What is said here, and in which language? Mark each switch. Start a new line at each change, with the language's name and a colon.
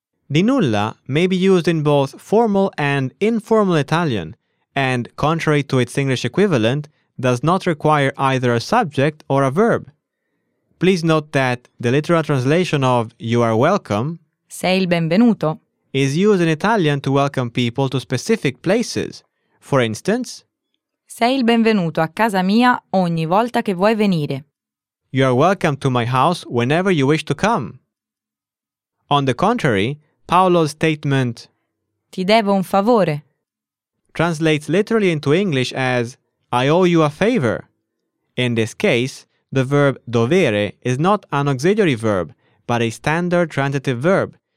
Italian: Di nulla
English: may be used in both formal and informal Italian, and contrary to its English equivalent, does not require either a subject or a verb. Please note that the literal translation of you are welcome,
Italian: sei il benvenuto,
English: is used in Italian to welcome people to specific places. For instance,
Italian: sei il benvenuto a casa mia ogni volta che vuoi venire.
English: You are welcome to my house whenever you wish to come. On the contrary, Paolo's statement
Italian: ti devo un favore
English: translates literally into English as I owe you a favor. In this case, the verb dovere is not an auxiliary verb, but a standard transitive verb,